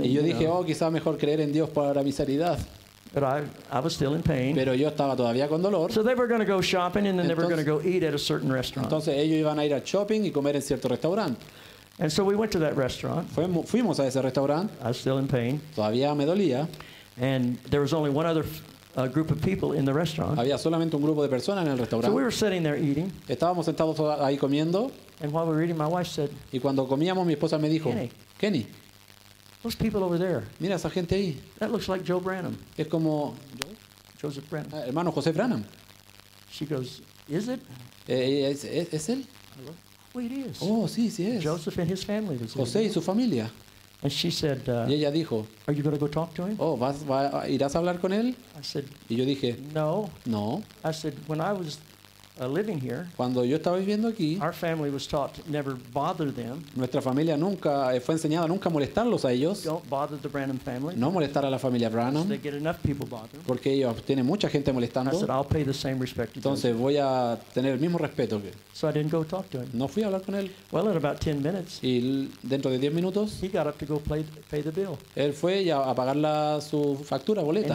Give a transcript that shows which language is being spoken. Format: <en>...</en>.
<es>Y yo dije, quizá mejor creer en Dios para mi sanidad.</es> <en>But I was still in pain.</en> <es>Pero yo estaba todavía con dolor.</es> <en>So they were going to go shopping, and then they were going to go eat at a certain restaurant.</en> <es>Entonces ellos iban a ir al shopping y comer en cierto restaurante.</es> <en>And so we went to that restaurant.</en> <es>Fuimos a ese restaurante.</es> <en>I was still in pain.</en> <es>Todavía me dolía.</es> <en>And there was only one other group of people in the restaurant.</en> <es>Había solamente un grupo de personas en el restaurante.</es> <en>So we were sitting there eating.</en> <es>Estábamos sentados ahí comiendo.</es> <en>And while we were eating, my wife said.</en> <es>Y cuando comíamos, mi esposa me dijo, Kenny.</es> <en>Those people over there.</en> <es>Mira esa gente ahí.</es> <en>That looks like Joe Branham.</en> <es>Es como Joseph Branham. Hermano José Branham.</es> <en>She goes, is it?</en> <es>¿Es él?</es> <en>Well, it is.</en> <es>Oh, sí es.</es> <en>Joseph and his family.</en> <es>José y su familia.</es> <en>And she said.</en> <es>Y ella dijo.</es> <en>Are you going to go talk to him?</en> <es>Oh, irás a hablar con él?</es> <en>I said.</en> <es>Y yo dije.</es> <en>No.</en> <es>No.</es> <en>I said when I was living here.</en> <es>Cuando yo estaba viviendo aquí.</es> <en>Our family was taught to never bother them.</en> <es>Nuestra familia nunca fue enseñada nunca molestarlos a ellos.</es> <en>Don't bother the Branham family.</en> <es>No molestar a la familia Branham.</es> <en>They get enough people bothering.</en> <es>Porque ellos tienen mucha gente molestando.</es> <en>I said I'll pay the same respect to them.</en> <es>Entonces voy a tener el mismo respeto.</es> <en>So I didn't go talk to him.</en> <es>No fui a hablar con él.</es> <en>Well, in about 10 minutes.</en> <es>Y dentro de 10 minutos.</es> <en>He got up to go pay the bill.</en> <es>Él fue ya a pagar su factura boleta.</es>